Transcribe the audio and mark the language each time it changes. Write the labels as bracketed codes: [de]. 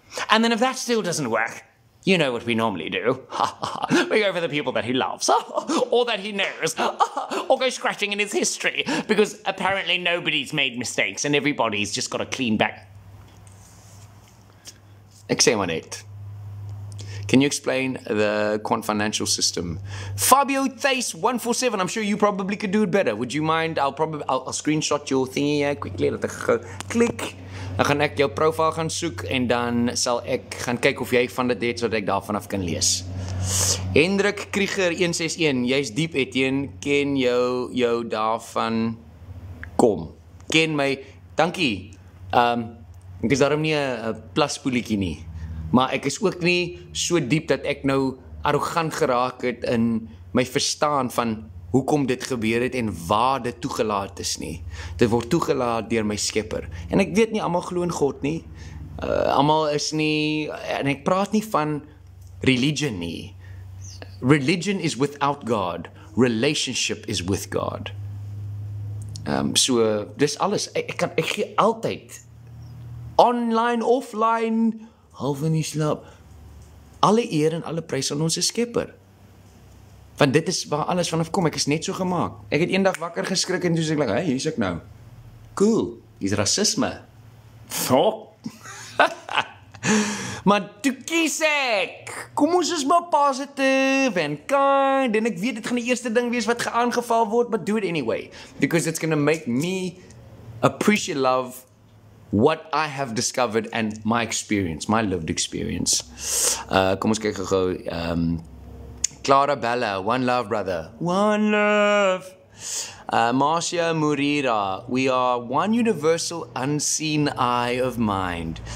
[en] And then if that still doesn't work, you know what we normally do. We go for the people that he loves, or that he knows, or go scratching in his history, because apparently nobody's made mistakes and everybody's just got a clean back. Can you explain the quant financial system? Fabio Thace 147, I'm sure you probably could do it better. Would you mind? I'll screenshot your thingy here quickly. Click. [af] Dan gaan ek jou profiel gaan soek en dan sal ek gaan kyk of jy van dit het sodat ek daarvan af kan lees. Hendrik Krieger 161, jy's diep Etienne, ken jou daarvan kom. Ken my, dankie. Ek is daarom nie 'n plaspoelietjie nie. Maar ek is ook nie so diep dat ek nou arrogant geraak het in my verstaan van hoekom dit gebeur het en waar dit toegelaat is nie. Dit word toegelaat deur my Skepper. En ek weet nie almal glo in God nie. Almal is nie, en ek praat nie van religion nie. [en] Religion is without God. Relationship is with God. [af] So dis alles. Ek gee altyd online, offline, half in die slaap, alle eer en alle prys aan ons Skepper. Want dit is waar alles vanaf kom. Ek is net so gemaak. Ek het eendag wakker geskrik en toe sê ek, hey, hier is ek nou. Cool, hier is racisme. [en] Fuck. [af] Maar toe kies ek. Kom ons is maar [en] positive and kind. [af] En ek weet, dit gaan die eerste ding wees wat geaangeval word. [en] But do it anyway. Because it's gonna make me appreciate love what I have discovered and my experience, my lived experience. [af] Kom ons kyk gou. Clara Bella, [en] one love, brother. One love. Marcia Murira, we are one universal unseen eye of mind.